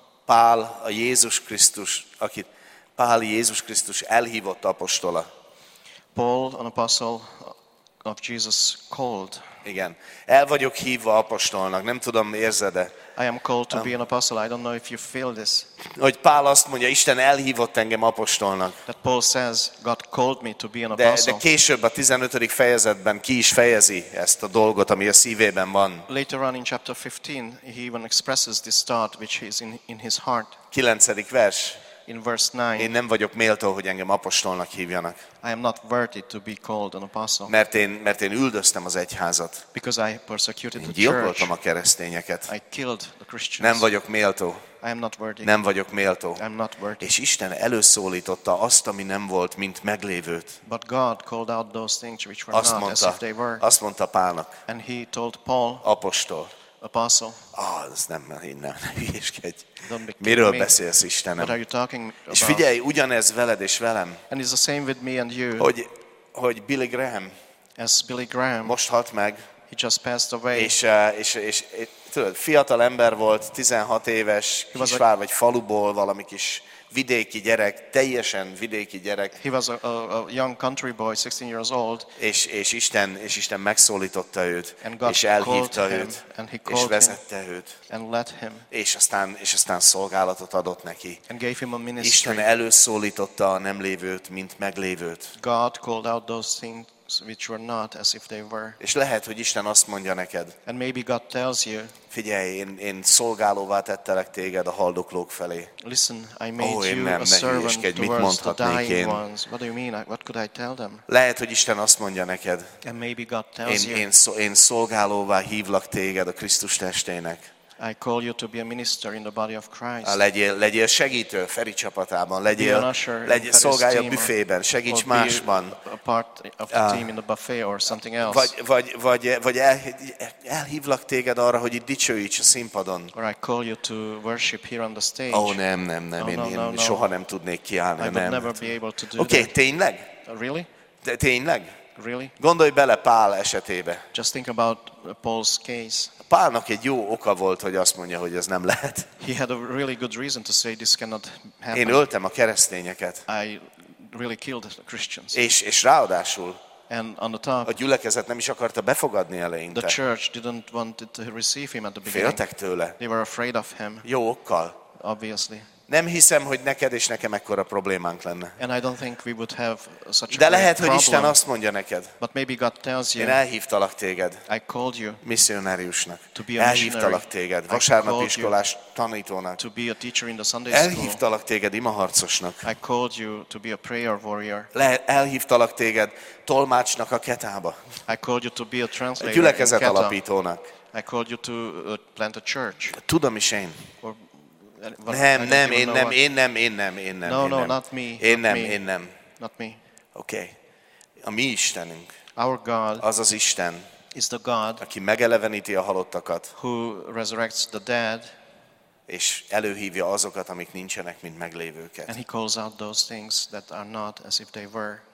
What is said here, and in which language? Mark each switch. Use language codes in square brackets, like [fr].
[hu] Pál a Jézus Krisztus, akit Pál Jézus Krisztus elhívott apostola. [en] Paul, an apostle of Jesus called. [hu] Igen. El vagyok hívva apostolnak. Nem tudom, érzed-e. [en] I am called to be an apostle. I don't know if you feel this. [hu] Hogy Pál azt mondja, Isten elhívott engem apostolnak. [en] That Paul says God called me to be an apostle. [hu] De később a 15. fejezetben ki is fejezi ezt a dolgot, ami a szívében van. [en] Later on in chapter 15 he even expresses this thought which is in his heart. [hu] 9. vers. [en] In verse 9. [hu] Én nem vagyok méltó, hogy engem apostolnak hívjanak. [en] I am not worthy to be called an apostle. [hu] Mert én üldöztem az egyházat. [en] Because I persecuted the church. [hu] Gyilkoltam a keresztényeket. [en] I killed the Christians. [hu] Nem vagyok méltó. [en] I am not worthy. [hu] Nem vagyok méltó. [en] I am not worthy. [hu] És Isten előszólította azt, ami nem volt, mint meglévőt. [en] But God called out those things which were not as if they were. [hu] Azt mondta Pálnak. [en] And he told Paul. [hu] Apostol. [en] Apostle. [hu] Ah, ez nem innen. Hülyeskedj. [en] Don't be kidding. [hu] Miről beszélsz, Istenem? [en] What are you talking about? [hu] És figyelj, ugyanez veled és velem. [en] And it's the same with me and you. [hu] Hogy Billy Graham. [en] As Billy Graham. [hu] Most halt meg. [en] He just passed away. [hu] És tudod, fiatal ember volt, 16 éves, kisvár vagy faluból, valami kis vidéki gyerek, teljesen vidéki gyerek. [en] He was a young country boy, 16 years old. [hu] És Isten megszólította őt, és elhívta [en] him, [hu] őt, és vezette őt. [en] And led him. [hu] És aztán szolgálatot adott neki. [en] And gave him a ministry. [hu] Isten előszólította a nem lévőt, mint meglévőt. [en] God called out those things which were not as if they were. [hu] És lehet, hogy Isten azt mondja neked. [en] And maybe God tells you. [hu] Figyelj, én szolgálóvá tettelek téged a haldoklók felé. [en] Listen, I made you a servant towards [hu] mit mondhatnék én? [en] What do you mean? What could I tell them? [hu] Lehet, hogy Isten azt mondja neked. [en] And maybe God tells you. [hu] Én szolgálóvá hívlak téged a Krisztus testének. [en] I call you to be a minister in the body of Christ. [hu] Legyél segítő Feri csapatában, legyél szolgálj a büfében, segíts másban. [en] A part of the team in the buffet or something else. [hu] Vagy elhívlak téged arra, hogy itt dicsőíts a színpadon. [en] Or I call you to worship here on the stage. [hu] Oh, nem, én soha nem tudnék kiállni. [en] I would never be able to do that. [hu] Okay, tényleg? [en] Really? [hu] Tényleg? [en] Really? [hu] Gondolj bele Pál esetébe. [en] Just think about Paul's case. [hu] Pálnak egy jó oka volt, hogy azt mondja, hogy ez nem lehet. [en] He had a really good reason to say this cannot happen. [hu] Én öltem a keresztényeket. [en] I really killed the Christians. [hu] És ráadásul. [en] And on the top. [hu] A gyülekezet nem is akarta befogadni eleinte. [en] The church didn't want to receive him at the beginning. [hu] Féltek tőle. [en] They were afraid of him. [hu] Jó okkal. [en] Obviously. [hu] Nem hiszem, hogy neked és nekem ekkora problémánk lenne. [en] And I don't think we would have such a [hu] De lehet, [en] problem. [hu] Hogy Isten azt mondja neked. [en] But maybe God tells you. [hu] Én elhívtalak téged. [en] I called you. [hu] Misszionáriusnak. [en] To be a missionary. [hu] Elhívtalak téged. Vasárnap iskolás tanítónak. [en] To be a teacher in the Sunday school. [hu] Elhívtalak téged imaharcosnak. [en] I called you to be a prayer warrior. [hu] Elhívtalak téged tolmácsnak a Ketába. [en] I called you to be a translator. [hu] A gyülekezet alapítónak. [en] I called you to plant a church. [hu] Tudom is én. Nem. [en] No, no, not me. [hu] Én nem. Okay. A mi Istenünk. [en] Our God. [hu] Az az Isten. [en] Is the God. [hu] Aki megeleveníti a halottakat. [en] Who resurrects the dead. [hu] És előhívja azokat, amik nincsenek, mint meglévőket. [en] And he calls out those things that are not as if they were.